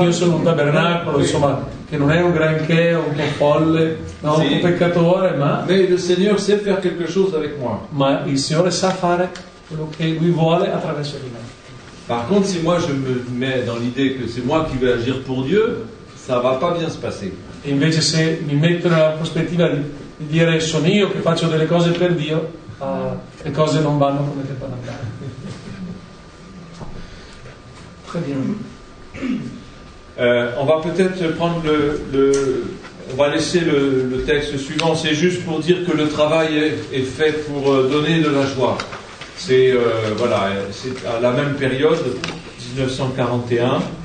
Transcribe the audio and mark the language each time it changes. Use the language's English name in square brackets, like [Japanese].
[Italian] Io sono un tabernacolo, insomma, che non è un granché, un po' folle, no, sì. Un peccatore, ma... [French] Mais le Seigneur sait faire quelque chose avec moi. [Italian] Ma il Signore sa fare quello che lui vuole attraverso di me. [French] Par contre, si moi je me mets dans l'idée que c'est moi qui vais agir pour Dieu, ça va pas bien se passer. [Italian] E invece se mi metto nella prospettiva di dire sono io che faccio delle cose per Dio, le cose non vanno come devono andare. [French] On va peut-être prendre on va laisser le texte suivant. C'est juste pour dire que le travail est fait pour donner de la joie. C'est voilà, c'est à la même période, 1941.